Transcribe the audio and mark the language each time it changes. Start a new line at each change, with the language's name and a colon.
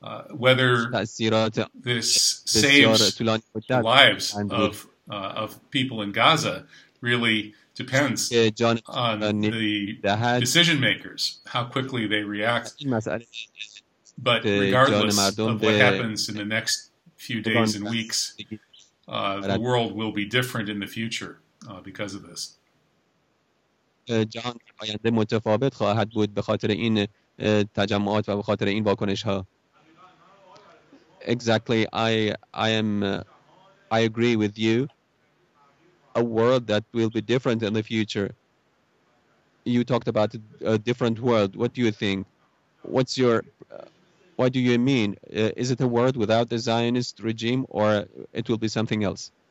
English: Whether this saves lives of people in Gaza really depends on the decision-makers, how quickly they react. But regardless of what happens in the next few days and weeks, the world will be different in the future because of this.
Persian: جهان آینده متفاوت خواهد بود به خاطر این تجمعات و به خاطر این واکنش ها.
English: Exactly, I agree with you. A world that will be different in the future. You talked about a different world. What do you think? What do you mean? Is it a world without the Zionist regime, or it will be something else?